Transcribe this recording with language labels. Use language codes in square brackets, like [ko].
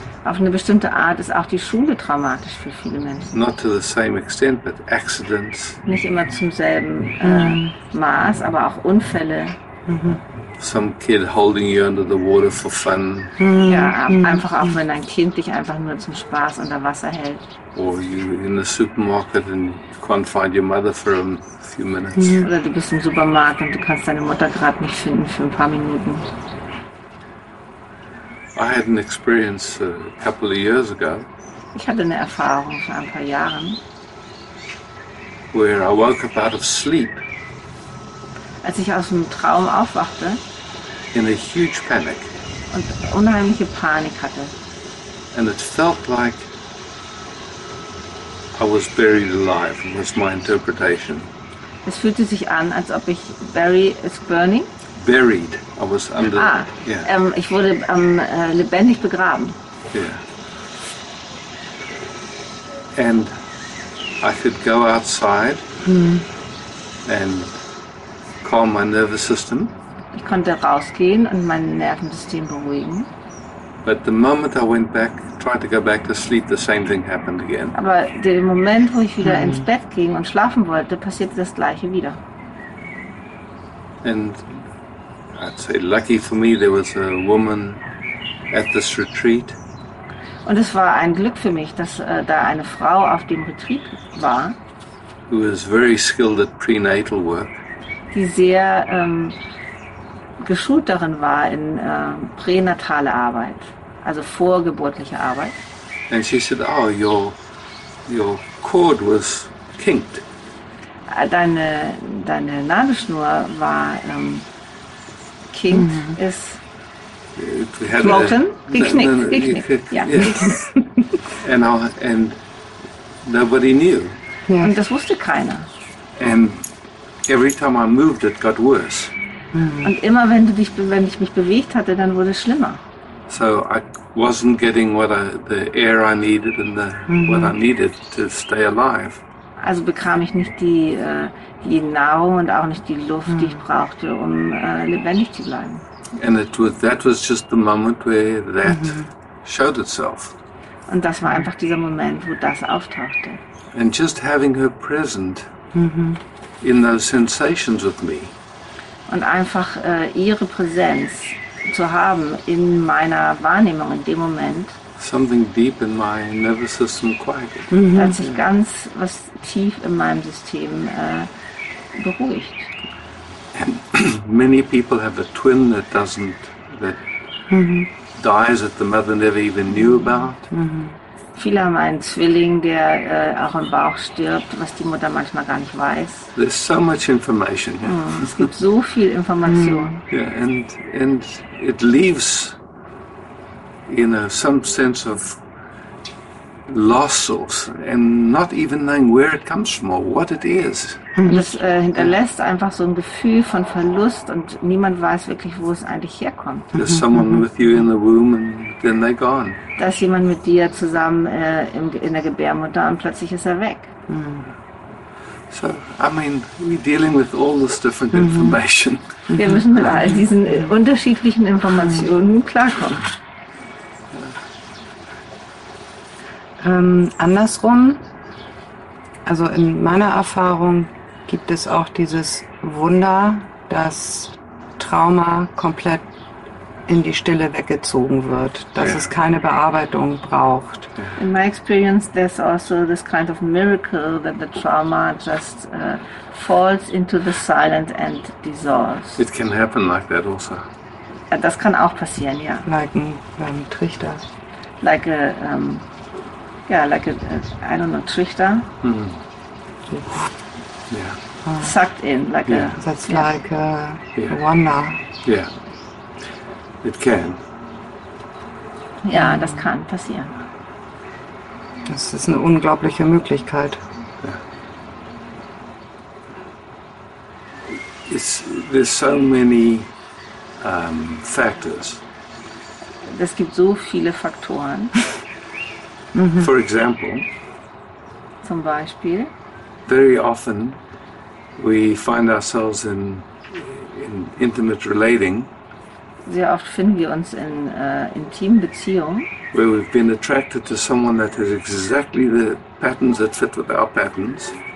[de] Auf eine bestimmte Art ist auch die Schule traumatisch für viele Menschen. [en] Not to the same extent, but accidents. [de] Nicht immer zum selben Maß, aber auch Unfälle. [en] Some kid holding you under the water for fun. [de] Ja, einfach auch wenn ein Kind dich einfach nur zum Spaß unter Wasser hält. [en] Or you in the supermarket and you can't find your mother for a few minutes. [de] Oder du bist im Supermarkt und du kannst deine Mutter gerade nicht finden für ein paar Minuten. [en] I had an experience a couple of years ago. [de] Ich hatte eine Erfahrung vor ein paar Jahren. [en] Where I woke up out of sleep. [de] Als ich aus dem Traum aufwachte, [en] in a huge panic. [de] Und unheimliche Panik hatte. [en] And it felt like I was buried alive, was my interpretation. [de] Es fühlte sich an, als ob ich [en] buried. I was under. Ah, yeah. [de] Ich wurde lebendig begraben. [en] Yeah. And I could go outside and calm my nervous system. [de] Ich konnte rausgehen und mein Nervensystem beruhigen. [en] But the moment I went back, tried to go back to sleep, the same thing happened again. [de] Aber den Moment, wo ich wieder ins Bett ging und schlafen wollte, passierte das Gleiche wieder. [en] And I'd say lucky for me, there was a woman at this retreat. [de] Und es war ein Glück für mich, dass da eine Frau auf dem Retreat war. [en] Who was very skilled at prenatal work. [de] Die sehr geschult darin war in pränatale Arbeit, also vorgeburtliche Arbeit. [en] And she said, oh, your cord was kinked. [de] Deine Nadelschnur war kinked, ist [en] broken, [de] geknickt. [en] And nobody knew. [de] Und das wusste keiner. [en] And every time I moved, it got worse. [de] Und immer wenn du dich, wenn ich mich bewegt hatte, dann wurde es schlimmer. [en] So I wasn't getting what I, the air I needed and the, what I needed to stay alive. [de] Also bekam ich nicht die die Nahrung und auch nicht die Luft, die ich brauchte, um lebendig zu bleiben. [en] And it was, that was just the moment where that showed itself. [de] Und das war einfach dieser Moment, wo das auftauchte. [en] And just having her present in those sensations with me. [de] Und einfach ihre Präsenz zu haben in meiner Wahrnehmung in dem Moment. [en] Something deep in my nervous system quieted. [de] Hat sich ganz was tief in meinem System beruhigt. [en] And many people have a twin that doesn't, that dies that the mother never even knew about. [de] Viele haben einen Zwilling, der auch im Bauch stirbt, was die Mutter manchmal gar nicht weiß. [en] There's so much information here. [de] Es gibt so viel Information. [en] Yeah, and it leaves, you know, some sense of loss and not even knowing where it comes from or what it is. [de] Und es hinterlässt einfach so ein Gefühl von Verlust und niemand weiß wirklich, wo es eigentlich herkommt. [en] There's someone with you in the womb and then they're gone. [de] Da ist jemand mit dir zusammen in der Gebärmutter und plötzlich ist er weg. [en] So, I mean, we're dealing with all this different information. [de] Wir müssen mit all diesen unterschiedlichen Informationen klarkommen. Andersrum, also in meiner Erfahrung gibt es auch dieses Wunder, dass Trauma komplett in die Stille weggezogen wird, dass es keine Bearbeitung braucht. [en] In my experience, there's also this kind of miracle that the trauma just falls into the silent and dissolves. It can happen like that also. [de] Das kann auch passieren, ja. [en] Like [de] ein Trichter. [en] Like a, yeah, like a, I don't know, Trichter. Yeah. Sucked in, like That's like a wonder. Yeah. It can. [de] Ja, das kann passieren. Das ist eine unglaubliche Möglichkeit. [en] Yeah. It's, there's so many factors. [de] Es gibt so viele Faktoren. [en] For example, [de] zum Beispiel, [en] very often we find ourselves in intimate relating. [de] Sehr oft finden wir uns in intimen Beziehungen, [en] where we've been attracted to someone that has exactly the patterns that fit with our patterns.